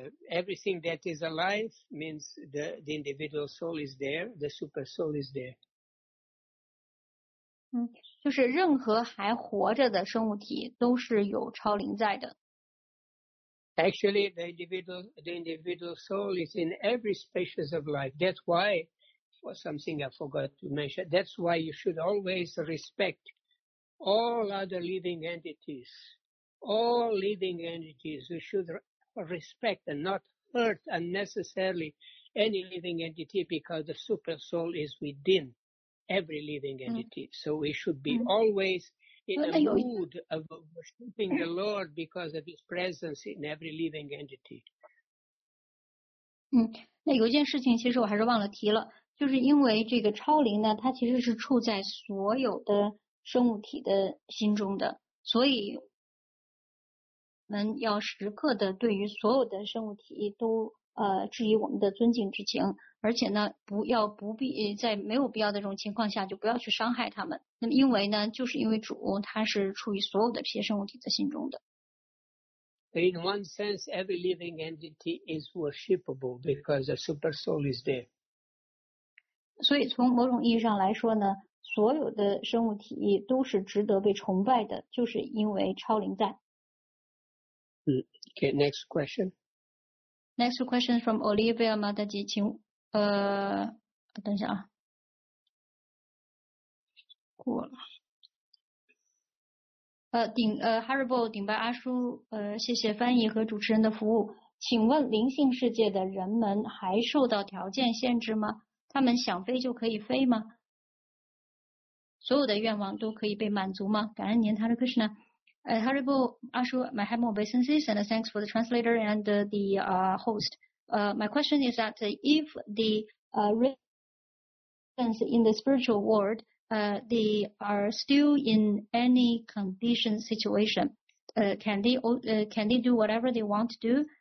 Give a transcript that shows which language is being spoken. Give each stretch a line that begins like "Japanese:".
English: Everything that is alive means the individual soul is there, the super soul is there.
Chinese: 就是任何还活着的生物体都是有超灵在的。
English: Actually, the individual soul is in every species of life. That's why. Or something I forgot to mention. That's why you should always respect all other living entities. All living entities, you should respect and not hurt unnecessarily any living entity because the super soul is within every living entity. So we should be always in a mood of worshiping the Lord because of his presence in every living entity.
Chinese: 那有一件事情其实我还是忘了提了。就是因为这个超灵呢，它其实是处在所有的生物体的心中的，所以我们要时刻的对于所有的生物体都致以我们的尊敬之情，而且呢，不必在没有必要的这种情况下就不要去伤害他们。那么因为呢，就是因为主他是处于所有的这些生物体的心中的。
English: In one sense, every living entity is worshipable because the super soul is there.
Chinese: 所以从某种意义上来说呢，所有的生物体都是值得被崇拜的，就是因为超灵在。
English: Okay, next question. Next question from Olivia Madaji,
Chinese: 请等一下啊，过了。 Haribol 顶拜阿叔，谢谢翻译和主持人的服务。请问灵性世界的人们还受到条件限制吗？他们想飞就可以飞吗？所有的愿望都可以被满足吗？感恩您 Hare Krishna.
English: Hare Bo, Ashu, my humble obeisances and thanks for the translator and the host. My question is that if the residents in the spiritual world, they are still in any condition situation, can they do whatever they want to do?